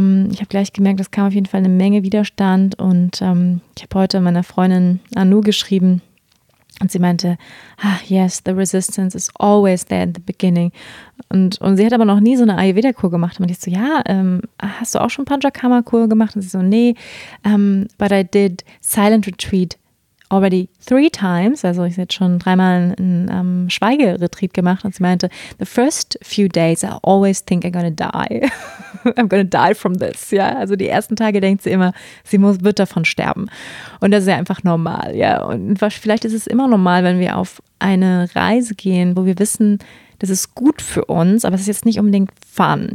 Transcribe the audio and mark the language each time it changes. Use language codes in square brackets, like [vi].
[de] Ich habe gleich gemerkt, es kam auf jeden Fall eine Menge Widerstand und ich habe heute meiner Freundin Anu geschrieben, und sie meinte, [en] ah, yes, the resistance is always there in the beginning. [de] Und sie hat aber noch nie so eine Ayurveda-Kur gemacht. Und ich so, ja, hast du auch schon Panchakarma-Kur gemacht? Und sie so, nee, [en] but I did silent retreat already 3 times. [de] Also ich habe jetzt schon 3-mal einen Schweigeretreat gemacht. Und sie meinte, [en] the first few days I always think I'm gonna die. I'm gonna die from this. [de] Ja, also die ersten Tage denkt sie immer, wird davon sterben. Und das ist ja einfach normal. Ja, und vielleicht ist es immer normal, wenn wir auf eine Reise gehen, wo wir wissen, das ist gut für uns, aber es ist jetzt nicht unbedingt fun.